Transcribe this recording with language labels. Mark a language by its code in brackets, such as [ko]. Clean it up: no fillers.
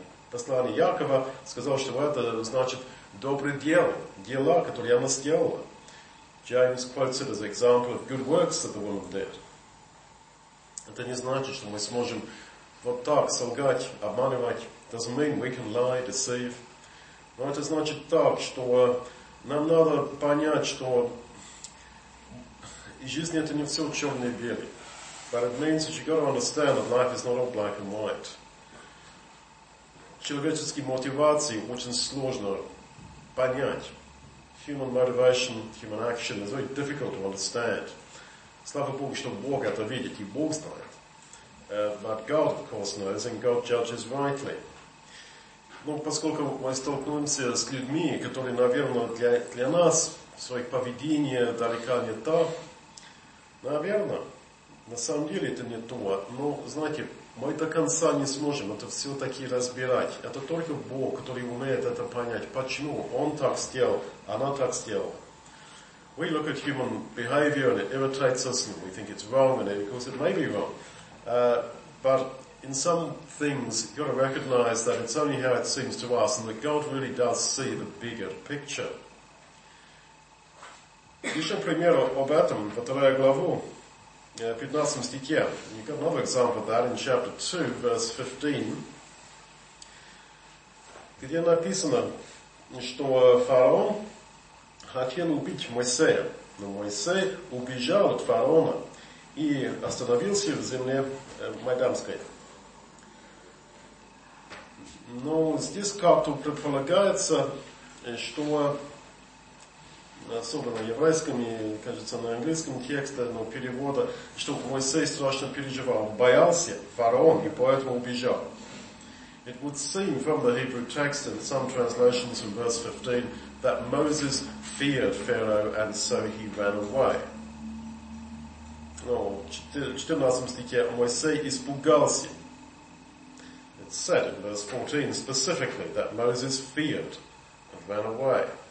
[ru] Послание Якова сказал, что это значит доброе дело, дела, которые она сделала. [en] James quotes it as an example of good works that the woman did. [ru] Это не значит, что мы сможем вот так солгать, обманывать. [en] It doesn't mean we can lie, deceive. [ru] Но это значит так, что нам надо понять, что жизнь это не все черное и белое. [en] But it means that you've got to understand that life is not all black and white. [ru] Человеческие мотивации очень сложно понять. [en] Human motivation, human action is very difficult to understand. [ru] Слава Богу, что Бог это видит и Бог знает. [en] But God, of course, knows and God judges rightly. [ru] Ну, поскольку мы столкнулись с людьми, которые, наверное, для нас, своих поведения далека не то, наверное, на самом деле это не то. Но, знаете, мы до конца не сможем это все-таки разбирать. Это только Бог, который умеет это понять. Почему Он так сделал, она так сделала. [en] We look at human behavior and it irritates us and we think it's wrong and of course it may be wrong. But in some things, you've got to recognize that it's only how it seems to us and that God really does see the bigger picture. [ru] Еще пример об этом, вторая главу, 15 стихе. [en] You've got another example of that in chapter 2, verse 15. [ru] где написано, что фараон хотел убить Моисея, но Моисей убежал от фараона и остановился в земле Майданской. Но здесь как-то предполагается, что особенно еврейском и, кажется, на английском тексте, но перевода, что Моисей страшно переживал, боялся фараон и поэтому убежал. [en] It would seem from the Hebrew text and some translations in verse 15 that Moses feared Pharaoh and so he ran away. [ru] Но в 14 стихе Моисей испугался. [en] It's said in verse 14 specifically that Moses feared and ran away.